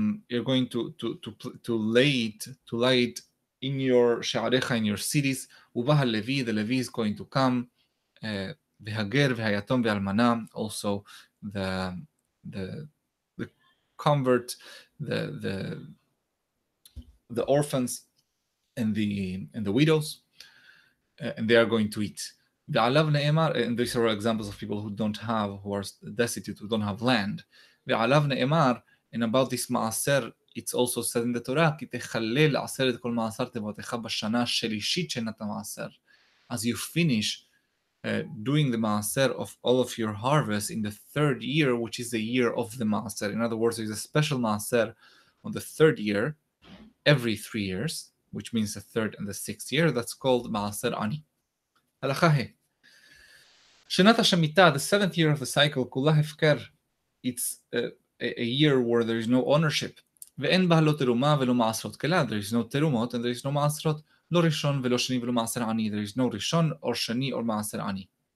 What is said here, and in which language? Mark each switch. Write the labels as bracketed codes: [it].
[en] you're going to lay it in your she'arecha, in your cities, [he] ubah levi, [en] the levi is going to come, [he] v'hager, v'hayatom, v'almana, [en] also the convert, the orphans, and the widows, and they are going to eat. [he] V'alav ne'emar, [en] and these are examples of people who don't have, who are destitute, who don't have land. [he] V'alav ne'emar, [en] and about this ma'aser, it's also said in the Torah, [he] כי תחלל עשרת כל מעשר תבואתך בשנה השלישית שנת המעשר. [en] As you finish doing the מעשר of all of your harvest in the third year, which is the year of the מעשר. In other words, it's a special מעשר on the third year, every 3 years, which means the third and the sixth year, that's called מעשר עני. [he] הלכה ה. שנת השמיטה, [en] the seventh year of the cycle, [he] כולה הפקר. [en] It's a year where there is no ownership. [he] ואין בה לא תרומה ולא מעשרות כלה, [en] there is no תרומות and there is no מעשרות, [he] לא ראשון ולא שני ולא מעשר עני, [en] there is no ראשון או שני או מעשר עני.